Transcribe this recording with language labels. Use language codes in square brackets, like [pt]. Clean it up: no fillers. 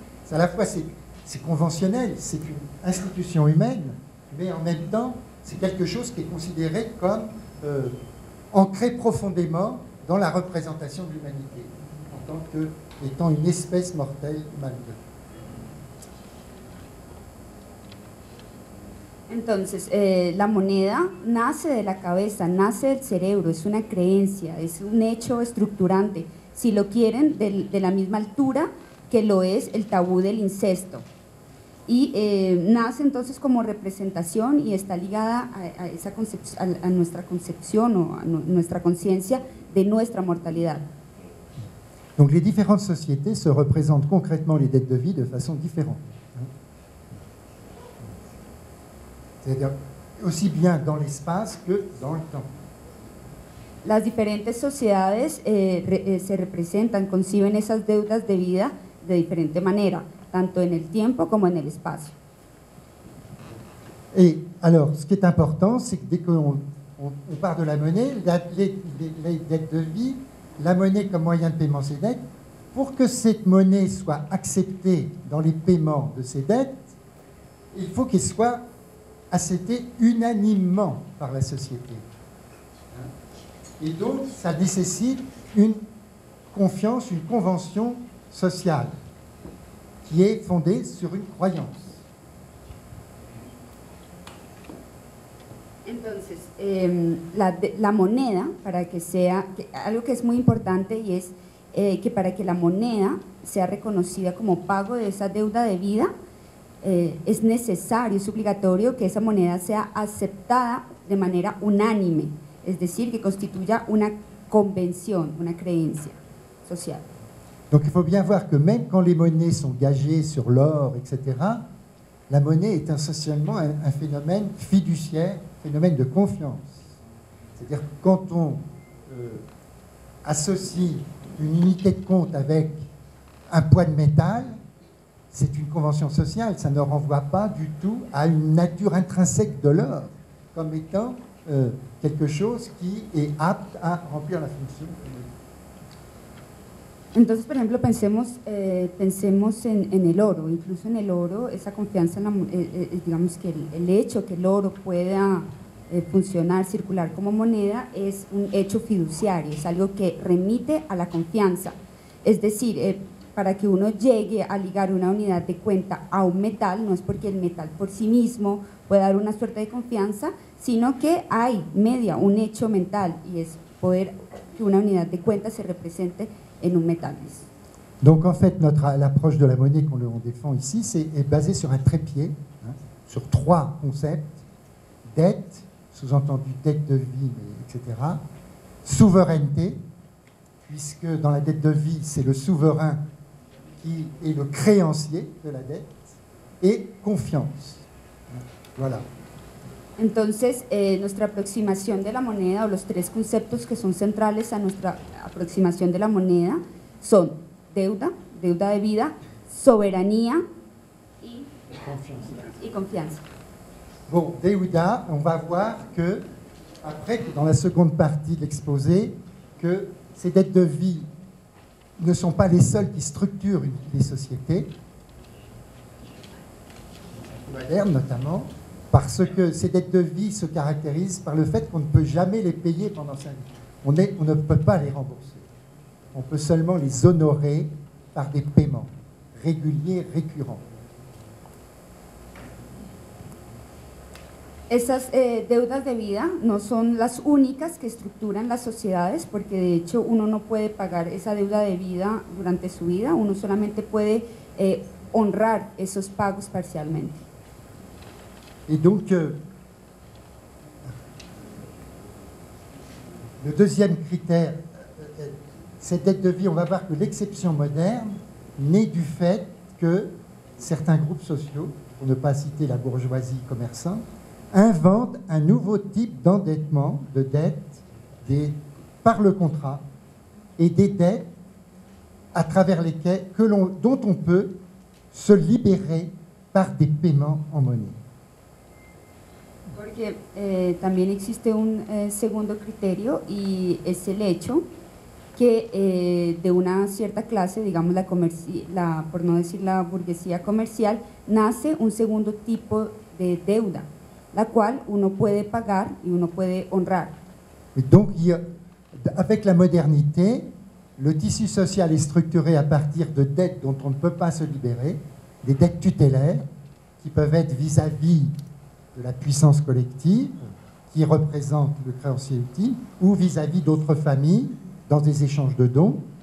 [fr] À la fois, c'est conventionnel, c'est une institution humaine, mais en même temps, c'est quelque chose qui est considéré comme ancré profondément dans la représentation de l'humanité, en tant que étant une espèce mortelle humaine. [es] Entonces, la moneda nace de la cabeza, nace del cerebro, es una creencia, es un hecho estructurante, si lo quieren, de la misma altura que lo es el tabú del incesto. Y nace entonces como representación y está ligada a nuestra concepción o a nuestra conciencia de nuestra mortalidad. [fr] Donc les différentes sociétés se représentent concrètement les dettes de vie de façon différente. C'est-à-dire aussi bien dans l'espace que dans le temps. [es] Las diferentes sociedades se representan, conciben esas deudas de vida de diferente manera, tanto en el tiempo como en el espacio. [fr] Et Alors, ce qui est important, c'est que dès qu'on part de la monnaie, les dettes de vie, la monnaie comme moyen de paiement ses dettes, pour que cette monnaie soit acceptée dans les paiements de ses dettes, il faut qu'elle soit acceptée unanimement par la société. Et donc, ça nécessite une confiance, une convention sociale qui est fondée sur une croyance. [es] Entonces, la moneda, para que sea, algo que es muy importante y es que para que la moneda sea reconocida como pago de esa deuda de vida, es necesario, es obligatorio que esa moneda sea aceptada de manera unánime, es decir, que constituya una convención, una creencia social. [fr] Donc il faut bien voir que même quand les monnaies sont gagées sur l'or, etc., la monnaie est essentiellement un phénomène fiduciaire, phénomène de confiance. C'est-à-dire que quand on associe une unité de compte avec un poids de métal, c'est une convention sociale, ça ne renvoie pas du tout à une nature intrinsèque de l'or comme étant quelque chose qui est apte à remplir la fonction. [es] Entonces, por ejemplo, pensemos en el oro. Incluso en el oro, esa confianza, digamos que el hecho que el oro pueda funcionar, circular como moneda, es un hecho fiduciario, es algo que remite a la confianza. Es decir, para que uno llegue a ligar una unidad de cuenta a un metal, no es porque el metal por sí mismo pueda dar una suerte de confianza, sino que hay media, un hecho mental, y es poder que una unidad de cuenta se represente en un metal. [fr] Donc en fait, l'approche de la monnaie qu'on défend ici est basée sur un trépied, sur trois concepts: dette, sous-entendu dette de vie, etc. Souveraineté, puisque dans la dette de vie, c'est le souverain qui est le créancier de la dette, et confiance. Voilà. [es] Entonces, nuestra aproximación de la moneda, o los tres conceptos que son centrales a nuestra aproximación de la moneda, son deuda, deuda de vida, soberanía y confianza. [fr] Bon, deuda, on va voir que, après, dans la seconde partie de l'exposé, que ces dettes de vie ne sont pas les seules qui structurent les sociétés, modernes notamment, parce que ces dettes de vie se caractérisent par le fait qu'on ne peut jamais les payer pendant sa vie. On ne peut pas les rembourser. On peut seulement les honorer par des paiements réguliers, récurrents. [es] Esas deudas de vida no son las únicas que estructuran las sociedades, porque de hecho uno no puede pagar esa deuda de vida durante su vida, uno solamente puede honrar esos pagos parcialmente. [fr] Et donc, le deuxième critère, cette dette de vie, on va voir que l'exception moderne naît du fait que certains groupes sociaux, pour ne pas citer la bourgeoisie commerçante, inventent un nouveau type d'endettement, de dette, par le contrat, et des dettes à travers lesquelles, dont on peut se libérer par des paiements en monnaie. [es] Porque también existe un segundo criterio, y es el hecho que de una cierta clase, digamos por no decir la burguesía comercial, nace un segundo tipo de deuda, la cual uno puede pagar y uno puede honrar. [fr] Donc, avec la modernité, le tissu social est structuré à partir de dettes dont on ne peut pas se libérer, des dettes tutélaires qui peuvent être vis-à-vis de la puissance collective qui représente le créancier ultime, ou vis-à-vis d'autres familles dans des échanges de dons.